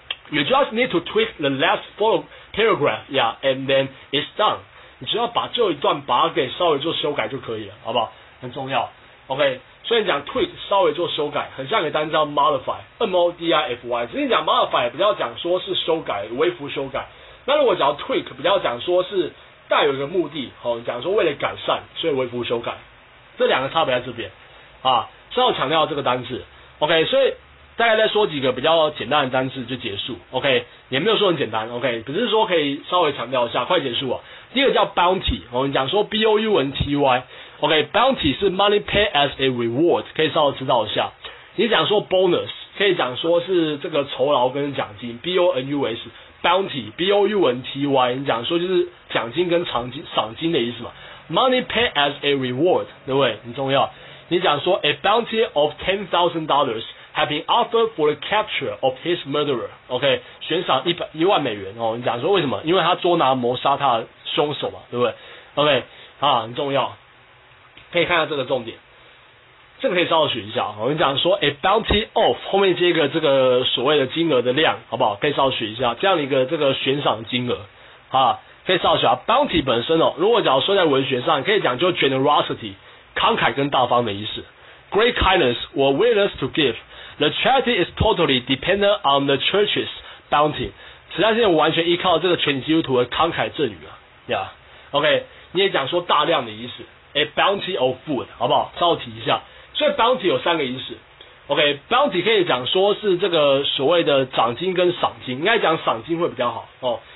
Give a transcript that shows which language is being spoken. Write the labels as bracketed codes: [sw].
[en] You just need to tweak the last four paragraph, yeah, and then it's done. [zh] 你只要把最后一段把它给稍微做修改就可以了，好不好？很重要 ，OK。所以你讲 tweak 稍微做修改，很像一个单字叫 modify，M-O-D-I-F-Y。只是你讲 modify 比较讲说是修改，微幅修改。那如果讲 tweak 比较讲说是带有一个目的，哦，讲说为了改善，所以微幅修改。这两个差别在这边，啊，是要强调这个单字 ，OK。所以大概再说几个比较简单的单字就结束 ，OK。也没有说很简单 ，OK。只是说可以稍微强调一下，快结束啊。第一个叫 bounty， 我们讲说 B-O-U-N-T-Y。OK， bounty 是 [en] money paid as a reward， [zh] 可以稍微知道一下。你讲说 bonus， 可以讲说是这个酬劳跟奖金 ，bonus， bounty， b-o-u-n-t-y， 你讲说就是奖金跟赏金的意思嘛。 [en] money paid as a reward， [zh] 对不对？很重要。你讲说 [en] a bounty of $10,000 has been offered for the capture of his murderer. [zh] OK， 悬赏$10,000哦。你讲说为什么？因为他捉拿谋杀他的凶手嘛，对不对 ？OK， 啊，很重要，可以看一下这个重点。这个可以稍微学一下，我们讲说 [en] a bounty of [zh] 后面接一个这个所谓的金额的量，好不好？可以稍微学一下这样一个这个悬赏金额，啊，可以稍微学啊。 bounty 本身哦，如果假如说在文学上，可以讲就 generosity 慷慨跟大方的意思。 [en] Great kindness or willingness to give. The charity is totally dependent on the church's bounty. [zh] 实在是完全依靠这个全体基督徒的慷慨赠予啊，呀、yeah. ，OK， 你也讲说大量的意思。 [en] A bounty of food， [zh] 好不好？稍微提一下，所以 bounty 有三个意思。 OK，bounty 可以讲说是这个所谓的奖金跟赏金，应该讲赏金会比较好哦。